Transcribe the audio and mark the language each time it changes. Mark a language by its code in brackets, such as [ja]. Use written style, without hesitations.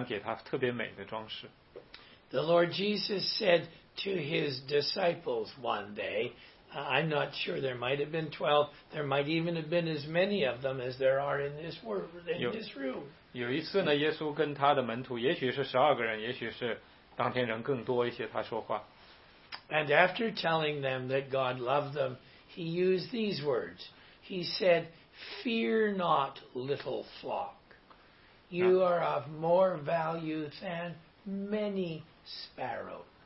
[zh] 神呢也特别在乎，他很精细的装饰了一朵小花，路上的野花，即便他第二天要扔到炉子里去烧了，他也依然给他特别美的装饰。 [en] The Lord Jesus said to his disciples one day, I'm not sure there might have been 12, there might even have been as many of them as there are in this world, in this room. [zh] 有一次呢，耶稣跟他的门徒，也许是12个人，也许是。当天人更多一些，他说话。 [en] And after telling them that God loved them, he used these words. He said, Fear not, little flock. You are of more value than many sparrows.